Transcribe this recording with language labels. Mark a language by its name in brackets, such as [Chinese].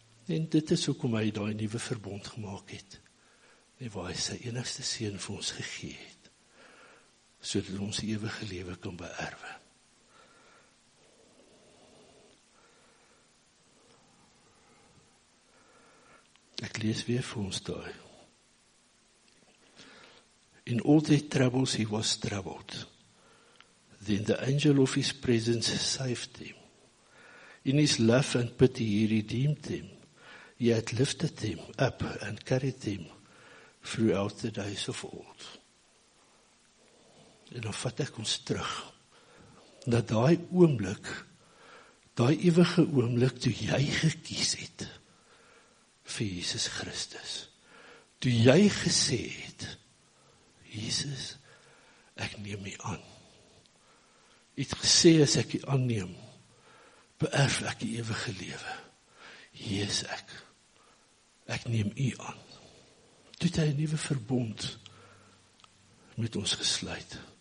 [Afrikaans] En dit is ook om hy die nieuwe verbond gemaakt het, en waar hy sy enigste seun vir ons gegee het, so dat ons ewige lewe kan beërwe. Ek lees weer vir ons daar. [English] In all the troubles he was troubled, then the angel of his presence saved him. In his love and pity he redeemed him. He had lifted him up and carried him throughout the days of old. [Afrikaans] En dan vat ek ons terug, dat daai oomblik, daai ewige oomblik, toe jy gekies het vir Jesus Christus, toe jy gesê het, Jesus, ek neem u aan. U het gesê, as ek u aanneem, beërf ek die ewige lewe. Hier is ek. Ek neem u aan. Toe het hy een nieuwe verbond met ons gesluit.